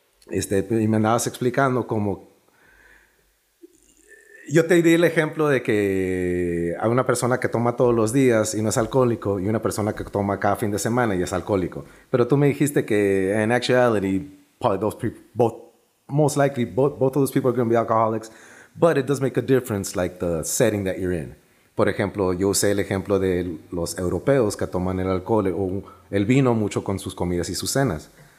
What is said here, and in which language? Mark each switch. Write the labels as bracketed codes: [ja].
[es] Y me andabas explicando como, yo te di el ejemplo de que hay una persona que toma todos los días y no es alcohólico, y una persona que toma cada fin de semana y es alcohólico. Pero tú me dijiste que, [en] in actuality, probably those people, most likely both of those people are going to be alcoholics, but it does make a difference, like the setting that you're in. [es] Por ejemplo, yo usé el ejemplo de los europeos que toman el alcohol o el vino mucho con sus comidas y sus cenas.